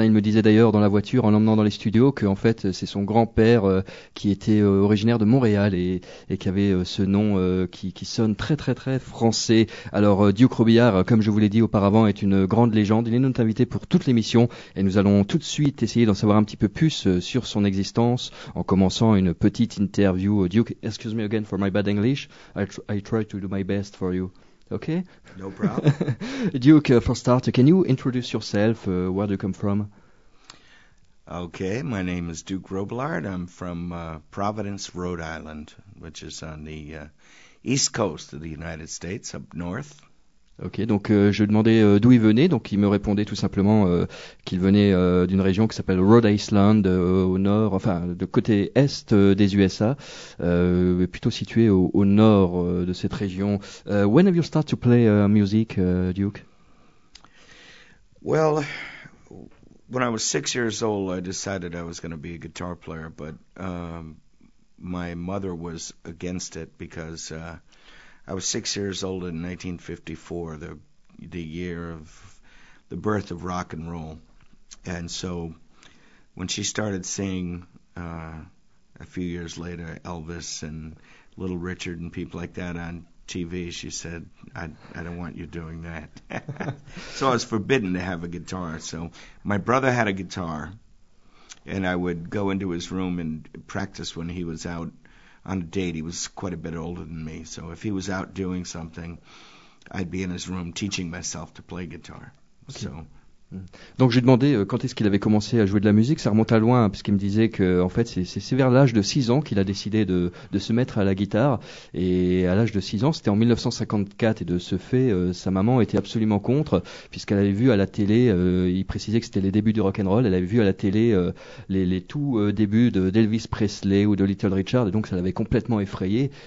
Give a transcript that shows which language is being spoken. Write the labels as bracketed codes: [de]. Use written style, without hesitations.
[fr] Il me disait d'ailleurs dans la voiture en l'emmenant dans les studios que en fait c'est son grand-père qui était originaire de Montréal et qui avait ce nom qui sonne très très très français. Alors Duke Robillard, comme je vous l'ai dit auparavant, est une grande légende. Il est notre invité pour toute l'émission et nous allons tout de suite essayer d'en savoir un petit peu plus sur son existence en commençant une petite interview. [en] Duke, excuse me again for my bad English. I try to do my best for you. Okay? No problem. Duke, for starter, can you introduce yourself? Where do you come from? Okay, my name is Duke Robillard. I'm from Providence, Rhode Island, which is on the east coast of the United States, up north. [fr] Ok, donc je demandais d'où il venait, donc il me répondait tout simplement qu'il venait d'une région qui s'appelle Rhode Island, au nord, enfin, de côté est des USA, plutôt situé au nord de cette région. [en] When have you started to play music, Duke? Well, when I was 6 years old, I decided I was going to be a guitar player, but my mother was against it because... I was 6 years old in 1954, the year of the birth of rock and roll. And so when she started seeing a few years later Elvis and Little Richard and people like that on TV, she said, I don't want you doing that. So I was forbidden to have a guitar. So my brother had a guitar, and I would go into his room and practice when he was out on a date. He was quite a bit older than me, so if he was out doing something, I'd be in his room teaching myself to play guitar. Okay. So. [fr] Donc j'ai demandé quand est-ce qu'il avait commencé à jouer de la musique. Ça remonte à loin, hein, puisqu'il me disait que en fait c'est vers l'âge de 6 ans qu'il a décidé de se mettre à la guitare. Et à l'âge de 6 ans, c'était en 1954, et de ce fait, sa maman était absolument contre, puisqu'elle avait vu à la télé, il précisait que c'était les débuts du rock'n'roll, elle avait vu à la télé les tout débuts d'Elvis Presley ou de Little Richard, et donc ça l'avait complètement effrayé.